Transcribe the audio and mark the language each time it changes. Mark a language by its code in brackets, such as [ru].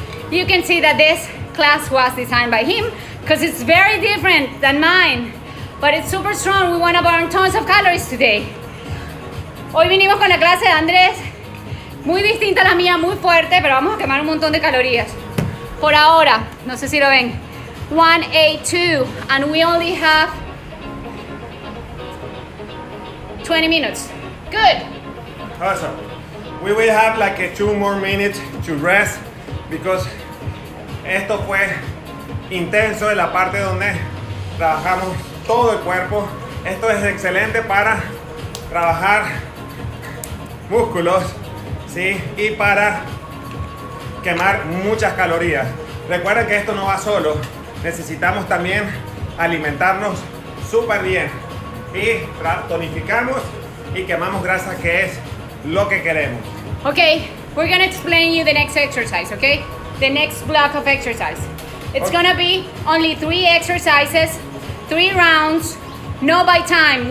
[en] You can see that this class was designed by him because it's very different than mine. but it's super strong. We want to burn tons of calories today. [es] Hoy vinimos con la clase de Andrés, muy distinta a la mía, muy fuerte, pero vamos a quemar un montón de calorías. Por ahora, no sé si lo ven. [en] 182, and we only have 20 minutes. Good. Awesome. We will have like a 2 more minutes to rest because [es] esto fue intenso en la parte donde trabajamos todo el cuerpo. Esto es excelente para trabajar músculos, ¿sí? Y para quemar muchas calorías. Recuerden que esto no va solo. Necesitamos también alimentarnos súper bien y tonificamos y quemamos grasa, que es lo que queremos. [en] Okay, we're gonna explain you the next exercise, okay? The next block of exercise. It's okay. Gonna be only 3 exercises, 3 rounds, no by time.